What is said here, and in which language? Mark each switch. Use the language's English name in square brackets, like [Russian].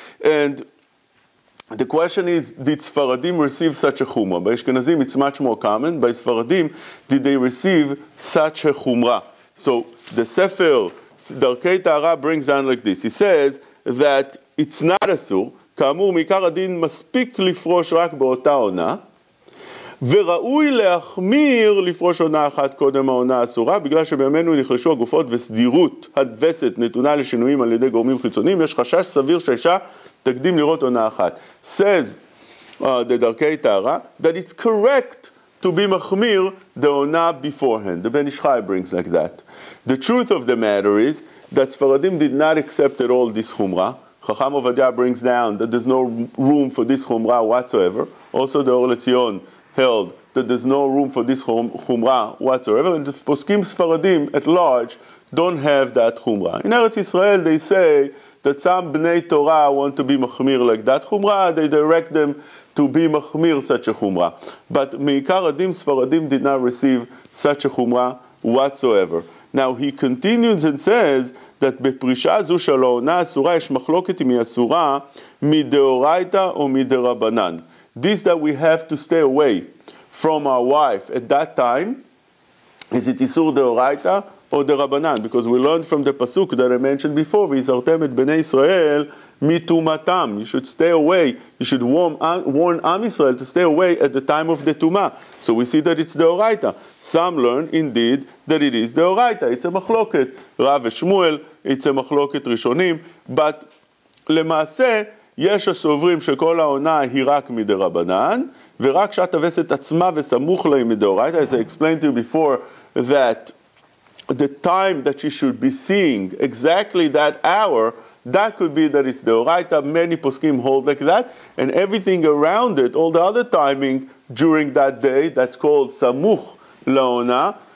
[English] And the question is, did Sfaradim receive such a chumrah? By Ashkenazim, it's much more common. By Sfaradim, did they receive such a chumrah? So the Sefer, Darkei Tahara, brings down like this. He says that it's not asur. [Hebrew] Kamur mikar adin maspik lifrosh rak baota ona. וראוי להחמיר לפרוש עונה אחת קודם העונה אסורה, בגלל שבימינו נחלשו הגופות וסדירות הדבסת נתונה לשינויים על ידי גורמים חיצוניים, יש חשש סביר שאישה תקדים לראות עונה אחת. [English] Says the Darkei Tahara that it's correct to be מחמיר the עונה beforehand. The Ben Ish Chai brings like that. The truth of the matter is that Sfaradim did not accept at all this Chumrah. Chacham Ovadia brings down that there's no room for this Chumrah whatsoever. Also the Or Letzion held that there's no room for this chumrah whatsoever, and the poskim Sfaradim at large don't have that chumrah. In Eretz Yisrael, they say that some bnei Torah want to be machmir like that chumrah, they direct them to be machmir such a chumrah. But [Hebrew] meikar adim [English] Sfaradim did not receive such a chumrah whatsoever. Now he continues and says that [Hebrew] בפרישה זו של העונה אסורה יש מחלוקת אם היא אסורה מדאורייתא או מדרבנן. [English] This that we have to stay away from our wife at that time, is it Isur Deoraita or the Rabbanan? Because we learned from the Pasuk that I mentioned before, [Hebrew] V'izartem et b'nei Israel mitumatam. [English] You should stay away. You should warn Am Israel to stay away at the time of the Tumah. So we see that it's Deoraita. Some learn, indeed, that it is Deoraita. It's a machloket. Rav Shmuel, it's a machloket Rishonim. But [Hebrew] lemaaseh, יש הסוברים שכל העונה היא רק מדרבנן, ורק שעת הווסת עצמה וסמוך להם מדאורייתא. [English] As I explained to you before, that the time that she should be seeing exactly that hour, that could be that it's דאורייתא. Many poskim hold like that, and everything around it, all the other timing during that day, that's called [Hebrew] סמוך לעונה.